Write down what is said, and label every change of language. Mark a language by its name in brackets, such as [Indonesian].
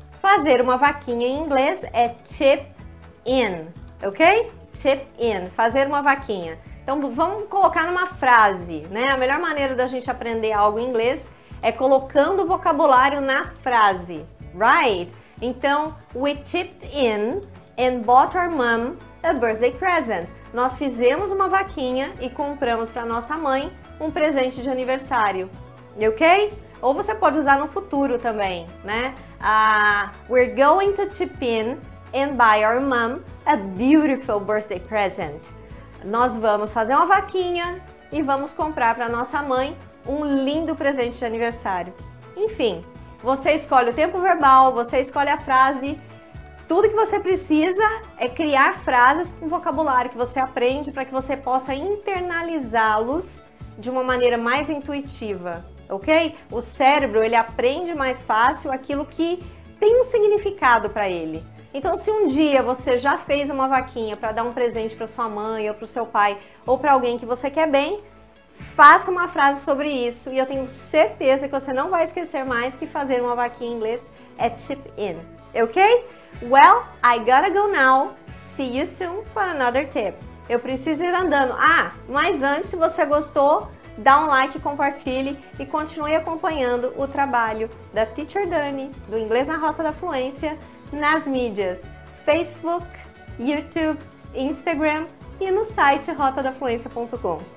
[Portuguese] Fazer uma vaquinha em inglês é chip in, ok? Chip in, fazer uma vaquinha. Então vamos colocar numa frase, né? A melhor maneira da gente aprender algo em inglês é colocando o vocabulário na frase, [English] right? [Portuguese] Então, [English] we chipped in and bought our mom a birthday present. [Portuguese] Nós fizemos uma vaquinha e compramos para nossa mãe um presente de aniversário, ok? Ou você pode usar no futuro também, né? [English] We're going to chip in and buy our mom a beautiful birthday present. [Portuguese] Nós vamos fazer uma vaquinha e vamos comprar para nossa mãe um lindo presente de aniversário. Enfim, você escolhe o tempo verbal, você escolhe a frase. Tudo que você precisa é criar frases com vocabulário que você aprende para que você possa internalizá-los de uma maneira mais intuitiva, ok? O cérebro, ele aprende mais fácil aquilo que tem um significado para ele. Então, se um dia você já fez uma vaquinha para dar um presente para sua mãe ou para o seu pai ou para alguém que você quer bem, faça uma frase sobre isso e eu tenho certeza que você não vai esquecer mais que fazer uma vaquinha em inglês é chip in, ok? [English] Well, I gotta go now. See you soon for another tip. [Portuguese] Eu preciso ir andando. Ah, mas antes, se você gostou, dá um like, compartilhe e continue acompanhando o trabalho da Teacher Dani, do Inglês na Rota da Fluência, nas mídias Facebook, YouTube, Instagram e no site rotadafluencia.com.